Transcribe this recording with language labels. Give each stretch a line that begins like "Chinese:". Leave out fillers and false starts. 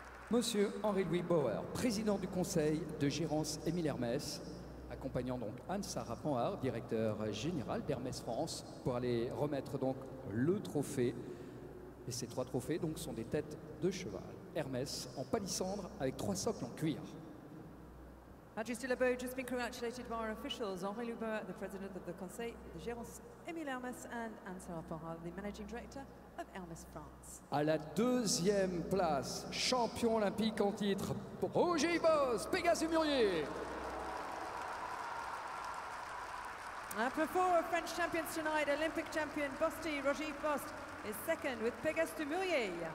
French: Monsieur Henri-Louis Bauer, président du conseil de gérance Émile Hermès, accompagnant donc Anne-Sara Panhard, directeur général d'Hermès France, pour aller remettre donc le trophée. Et ces 3 trophées donc sont des têtes de cheval Hermès en palissandre avec 3 socles en cuir.
English: Patrice Delabeau just been congratulated by our officials, Henri Louvert, the president of the Conseil de Gérance, Émile Hermès, and Anne-Sara Panhard, the managing director of Hermès France.
French: À la deuxième place, champion olympique en titre, Roger Ibos, Pégase Murier.
English: After 4 French champions tonight, Olympic champion Bosti, Roger Ibos is second with Pégase Murier.